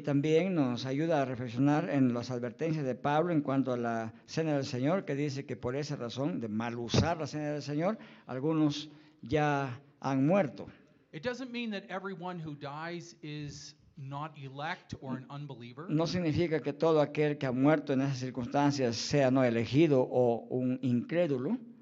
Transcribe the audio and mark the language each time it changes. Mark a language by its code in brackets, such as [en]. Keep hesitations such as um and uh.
[es] también nos ayuda a reflexionar en las advertencias de Pablo en cuanto a la cena del Señor, que dice que por esa razón de mal usar la cena del Señor, algunos ya han muerto. [en] It mean that who dies is Not elect or an unbeliever, no [es] significa que todo aquel que ha muerto en esas circunstancias sea no elegido o un incrédulo.